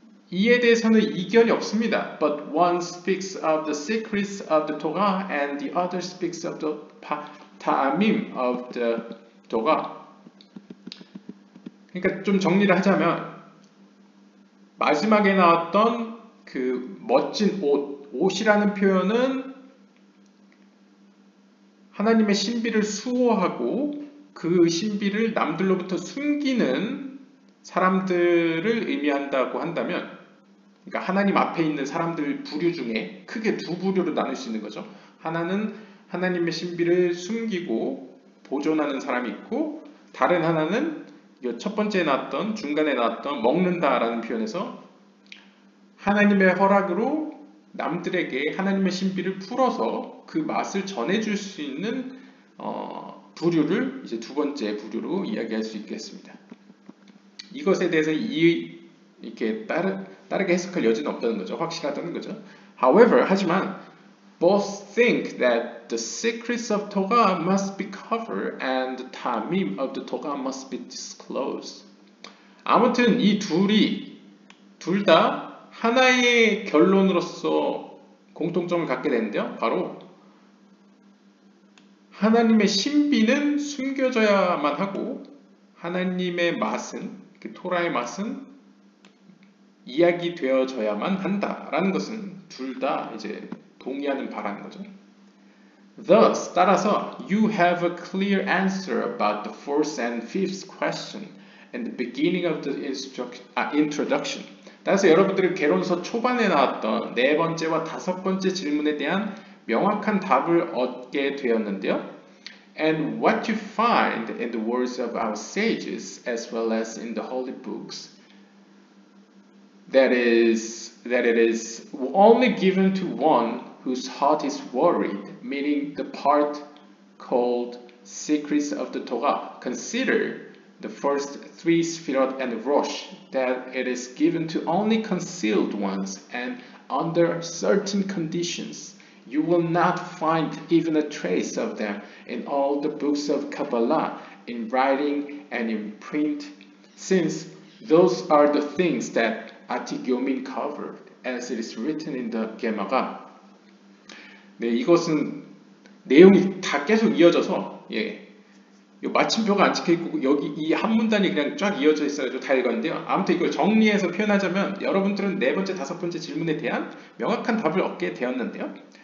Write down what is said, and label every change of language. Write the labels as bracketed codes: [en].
[ko] 이에 대해서는 이견이 없습니다. [en] But one speaks of the secrets of the Torah and the other speaks of the Tamim of the Torah. [ko] 그러니까 좀 정리를 하자면 마지막에 나왔던 그 멋진 옷, 옷이라는 표현은 하나님의 신비를 수호하고 그 신비를 남들로부터 숨기는 사람들을 의미한다고 한다면 그러니까 하나님 앞에 있는 사람들 부류 중에 크게 두 부류로 나눌 수 있는 거죠. 하나는 하나님의 신비를 숨기고 보존하는 사람이 있고 다른 하나는 첫 번째에 나왔던 중간에 나왔던 먹는다라는 표현에서 하나님의 허락으로 남들에게 하나님의 신비를 풀어서 그 맛을 전해줄 수 있는 부류를 이제 두 번째 부류로 이야기할 수 있겠습니다. 이것에 대해서 이렇게 다르게 해석할 여지는 없다는 거죠. 확실하다는 거죠. [en] However, [ko] 하지만 [en] both think that the secrets of Torah must be covered and the tamim of the Torah must be disclosed. [ko] 아무튼 이 둘 다 하나의 결론으로서 공통점을 갖게 되는데요. 바로 하나님의 신비는 숨겨져야만 하고 하나님의 맛은, 그 토라의 맛은 이야기되어져야만 한다라는 것은 둘 다 이제 동의하는 바라는 거죠. [en] Thus, [ko] 따라서 [en] you have a clear answer about the fourth and fifth question and the beginning of the introduction. [ko] 따라서 여러분들이 개론서 초반에 나왔던 네 번째와 다섯 번째 질문에 대한 명확한 답을 얻게 되었는데요. [en] And what you find in the words of our sages as well as in the holy books that it is only given to one whose heart is worried, meaning the part called secrets of the Torah. Consider the first three Sefirot and the Rosh, that it is given to only concealed ones, and under certain conditions, you will not find even a trace of them in all the books of Kabbalah, in writing and in print, since those are the things that Atik Yomim covered, as it is written in the Gemara. [ko] 네, 이것은 내용이 다 계속 이어져서 예. 요 마침표가 안 찍혀 있고 여기 이 한 문단이 그냥 쫙 이어져 있어서 다 읽었는데요. 아무튼 이걸 정리해서 표현하자면 여러분들은 네 번째, 다섯 번째 질문에 대한 명확한 답을 얻게 되었는데요.